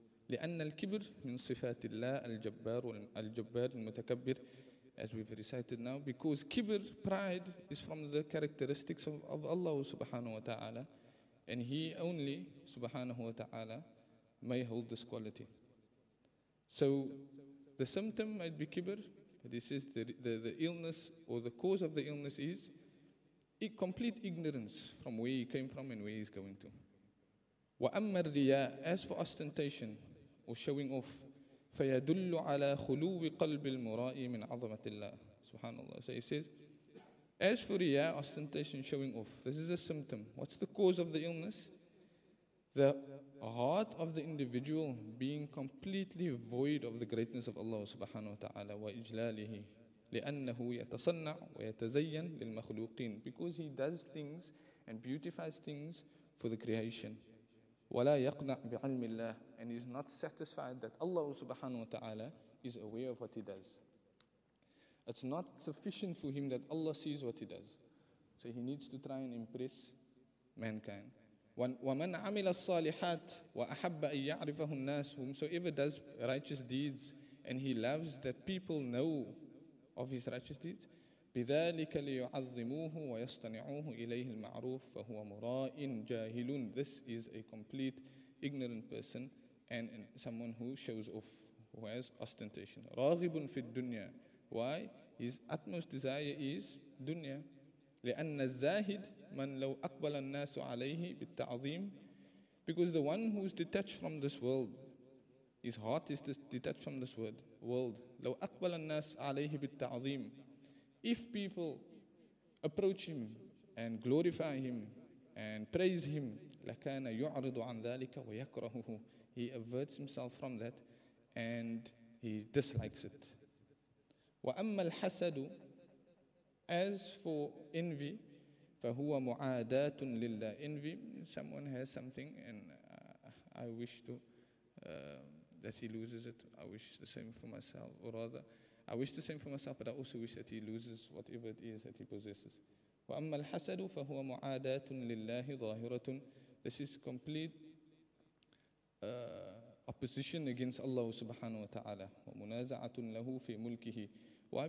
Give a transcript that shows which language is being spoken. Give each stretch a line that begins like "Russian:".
Arabic: لِأَنَّ الْكِبْرِ مِنْ صِفَاتِ اللَّهِ الْجَبَّارُ الْجَبَّارِ الْمُتَكَبِّرِ
English: As we've recited now, because kibr, pride, is from the characteristics of Allah subhanahu wa ta'ala, and He only, subhanahu wa ta'ala, may hold this quality. So, the symptom might be kibr, but he says the illness, or the cause of the illness is, a complete ignorance from where he came from and where he's going to.
Arabic: وَأَمَّا الرِّيَاءَ
English: As for ostentation, or showing off,
Arabic: فيدل على خلو قلب المرائي من عظمة الله سبحان الله.
English: So he says, as for riya, ostentation, showing off, this is a symptom. What's the cause of the illness? The heart of the individual being completely void of the greatness of Allah
Arabic: سبحانه وتعالى وإجلاله لأنه يتصنع ويتزين للمخلوقين
English: because he does things and beautifies things for the creation.
Arabic: وَلَا يَقْنَعْ بِعَلْمِ اللَّهِ
English: And he is not satisfied that Allah subhanahu wa ta'ala is aware of what he does. It's not sufficient for him that Allah sees what he does. So he needs to try and impress mankind.
Arabic: وَمَنْ عَمِلَ الصَّالِحَاتِ وَأَحَبَّ أَن يَعْرِفَهُ النَّاسُ
English: Whomsoever does righteous deeds and he loves that people know of his righteous deeds,
Arabic: بِذَٰلِكَ لِيُعَظِّمُوهُ وَيَصْطَنِعُوهُ إِلَيْهِ الْمَعْرُوفُ فَهُوَ مُرَائِنْ جَاهِلٌ
English: This is a complete ignorant person and someone who shows off, who has ostentation.
Arabic: رَاغِبٌ فِي الدُّنْيَا
English: Why? His utmost desire is dunya.
Arabic: لِأَنَّ الزَّاهِدْ مَنْ لَوْ أَقْبَلَ النَّاسُ عَلَيْهِ بِالتَّعْظِيمِ
English: Because the one who is detached from this world, his heart is detached from this world.
Arabic: لَوْ أَقْبَلَ النَّاسُ عَلَيْهِ بِالتَّعْظِيمِ
English: If people approach him and glorify him and praise him,
Arabic: لَكَانَ يُعْرِضُ عَنْ ذَٰلِكَ وَيَكْرَهُهُ
English: He averts himself from that and he dislikes it.
Arabic: وَأَمَّا الْحَسَدُ
English: As for envy,
Arabic: فَهُوَ مُعَادَاتٌ لِلَّهِ
English: Envy, someone has something and I wish to that he loses it. I wish the same for myself or rather. I wish the same for myself, but I also wish that he loses whatever it is that he possesses.
Arabic: وَأَمَّا الْحَسَدُ فَهُوَ مُعَادَاتٌ لِلَّهِ ظَاهِرَةٌ
English: This is complete opposition against Allah subhanahu wa ta'ala.
Arabic: وَمُنَازَعَةٌ لَهُ فِي مُلْكِهِ
English: Why?